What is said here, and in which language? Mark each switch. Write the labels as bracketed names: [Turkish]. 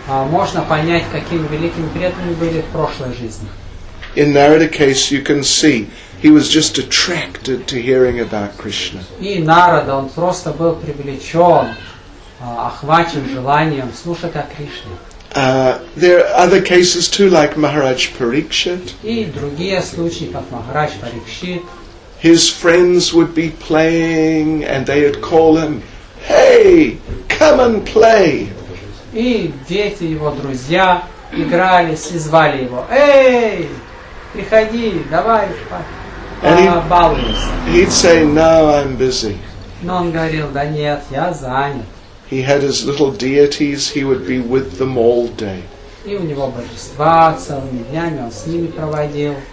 [Russian] можно понять, каким великим преданным были в прошлой жизни. [English] In Narada case you can see he was just attracted to hearing about Krishna. [Russian] И Нарада, он просто был привлечен, охвачен желанием слушать о Кришне. [English] There are other cases too, like Maharaj Parikshit. [Russian] И другие случаи, как Махарадж Парикшит. [English] His friends would be playing and they would call him, "Hey, come and play." [Russian] И дети его друзья игрались и звали его, "Эй, приходи, давай, побалуйся." [English] He'd say, "No, I'm busy." [Russian] Но он говорил, "Да нет, я занят." [English] He had his little deities, he would be with them all day. [Russian] И у него божества целыми днями он с ними проводил.